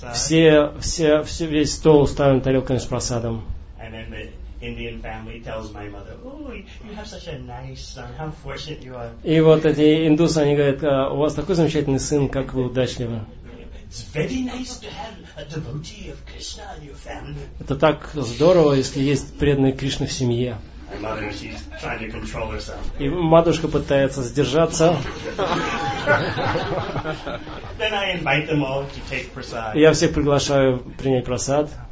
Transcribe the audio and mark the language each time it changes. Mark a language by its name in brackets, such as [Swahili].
[Russian] Весь стол уставлен тарелками с просадом. [English] And then the Indian family tells my mother, "Ooh, you have such a nice son. How fortunate you are." [Russian] И вот эти индусы, они говорят, у вас такой замечательный сын, как вы удачливы. [English] It's very nice to have a devotee of Krishna in your family. [Russian] Это так здорово, если есть преданный Кришна в семье. [English] My mother, she's trying to control herself. [Russian] И матушка пытается сдержаться. [English] Then I invite them all to take prasad. [Russian] Я всех приглашаю принять просад.